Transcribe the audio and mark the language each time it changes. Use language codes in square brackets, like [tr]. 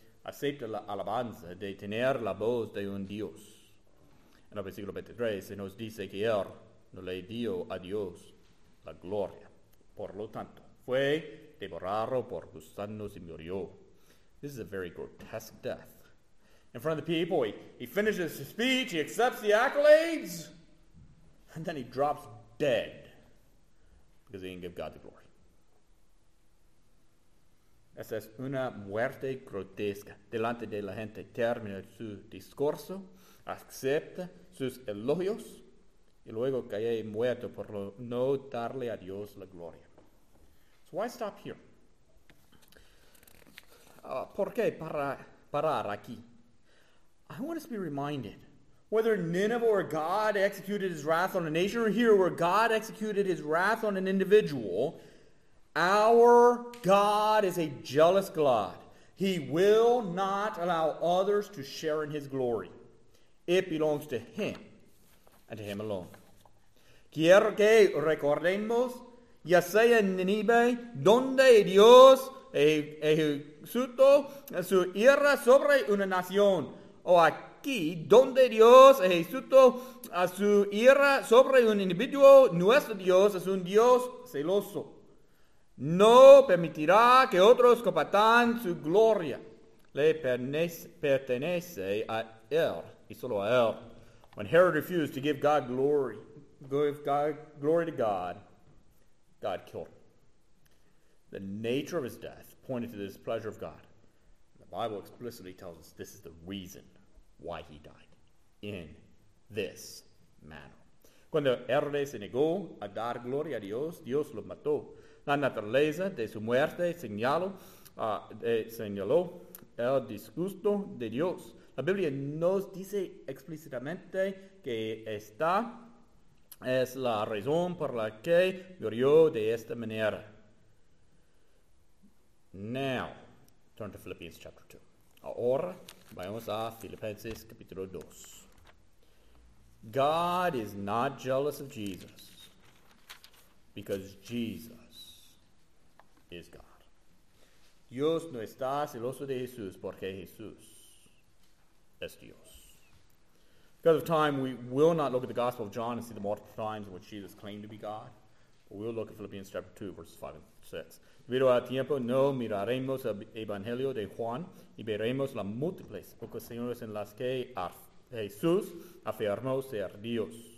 [es] Acepta la alabanza de tener la voz de un Dios. En el versículo 23 se nos dice que él no le dio a Dios la gloria. Por lo tanto, fue devorado por gusanos y murió. [en] This is a very grotesque death. In front of the people, he finishes his speech, he accepts the accolades, and then he drops dead because he didn't give God the glory. [es] Esa es una muerte grotesca. Delante de la gente termina su discurso, acepta sus elogios, y luego cae muerto por no darle a Dios la gloria. [en] So why stop here? [es] ¿Por qué parar aquí? [en] I want us to be reminded, whether in Nineveh where God executed his wrath on a nation, or here where God executed his wrath on an individual, our God is a jealous God. He will not allow others to share in his glory. It belongs to him and to him alone. [es] Quiero que recordemos, ya sea en Nínive, donde Dios ejecutó su ira sobre una nación, o aquí, donde Dios ejecutó su ira sobre un individuo, nuestro Dios es un Dios celoso. No permitirá que otros compartan su gloria. Le pertenece a él, y solo a él. [en] When Herod refused to give God glory, God killed him. The nature of his death pointed to the displeasure of God. The Bible explicitly tells us this is the reason why he died in this manner. [es] Cuando Herod se negó a dar gloria a Dios, Dios lo mató. La naturaleza de su muerte señaló el disgusto de Dios. La Biblia nos dice explícitamente que esta es la razón por la que murió de esta manera. [en] Now, turn to Philippians chapter 2. [es] Ahora, vayamos a Filipenses capítulo 2. [en] God is not jealous of Jesus. Because Jesus is God. [es] Dios no está celoso de Jesús porque Jesús es Dios. [en] Because of time, we will not look at the Gospel of John and see the multiple times in which Jesus claimed to be God. We'll look at Philippians chapter 2, verses 5 and 6. [es] Debido a tiempo, no miraremos el Evangelio de Juan y veremos las múltiples ocasiones en las que Jesús afirmó ser Dios.